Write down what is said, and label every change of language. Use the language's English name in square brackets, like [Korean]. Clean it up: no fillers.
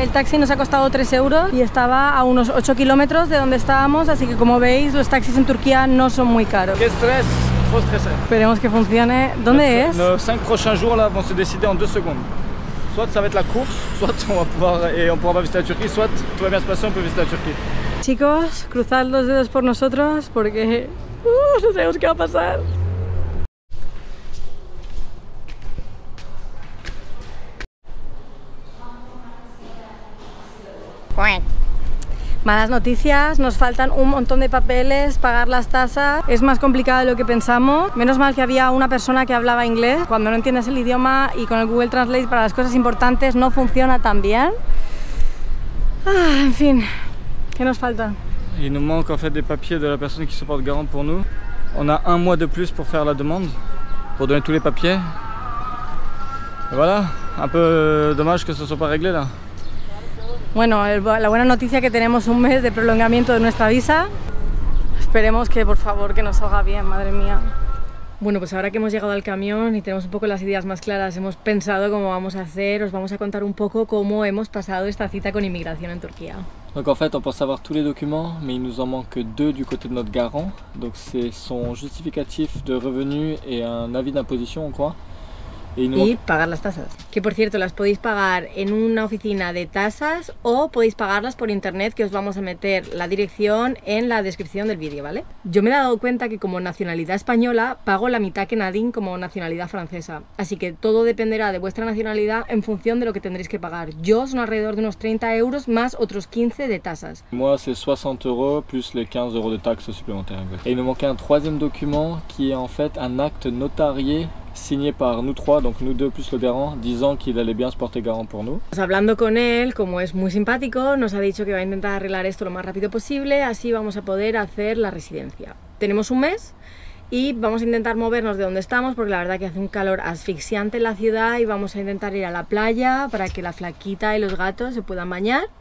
[Spanish] El taxi nos ha costado 3 euros y estaba a unos 8 kilómetros de donde estábamos. Así que como veis, los taxis en Turquía no son muy caros. ¡Qué estrés! [French] ¡Faut stresser! [Spanish] Esperemos que funcione. ¿Dónde es? Los 5 próximos días van a se decidir en 2 segundos. [French] Soit ça va être la course, soit on pourra pas visiter la Turquie, soit tout va bien se passer, on peut visiter la Turquie. [Spanish] Chicos, cruzad los dedos por nosotros porque no sabemos qué va a pasar. Malas noticias, nos faltan un montón de papeles, pagar las tasas, es más complicado de lo que pensamos. Menos mal que había una persona que hablaba inglés. Cuando no entiendes el idioma y con el Google Translate para las cosas importantes no funciona tan bien. Ah, en fin, ¿qué nos falta? Y nos manca [French] en fait des papiers de la persona que se porte garant por nous. On a un mois de plus pour faire la demande, pour donner tous les papiers. Et voilà, un peu dommage que ce soit pas réglé là. [Spanish] Bueno, la buena noticia es que tenemos un mes de prolongamiento de nuestra visa. Esperemos que, por favor, que nos salga bien, madre mía. Bueno, pues ahora que hemos llegado al camión y tenemos un poco las ideas más claras, hemos pensado cómo vamos a hacer, os vamos a contar un poco cómo hemos pasado esta cita con inmigración en Turquía. [French] Donc en fait, on pense avoir tous les documents, mais il nous en manque deux du côté de notre garant. Donc c'est son justificatif de revenus et un avis d'imposition, on croit. [Spanish] Y pagar las tasas. Que por cierto, las podéis pagar en una oficina de tasas o podéis pagarlas por internet, que os vamos a meter la dirección en la descripción del vídeo, ¿vale? Yo me he dado cuenta que como nacionalidad española pago la mitad que Nadine como nacionalidad francesa. Así que todo dependerá de vuestra nacionalidad en función de lo que tendréis que pagar. Yo son alrededor de unos 30 euros más otros 15 de tasas. [French] Moi, c'est 60 euros plus les 15 euros de taxes supplémentaires. Et il nous manquait un troisième document qui est en fait un acte notarié signé par nous trois, donc nous deux plus le garant, disant qu'il allait bien se porter garant pour nous. [Spanish] Hablando con él, como es muy simpático, nos ha dicho que va a intentar arreglar esto lo más rápido posible, así vamos a poder hacer la residencia. Tenemos un mes y vamos a intentar movernos de donde estamos porque la verdad que hace un calor asfixiante en la ciudad y vamos a intentar ir a la playa para que la flaquita y los gatos se puedan bañar.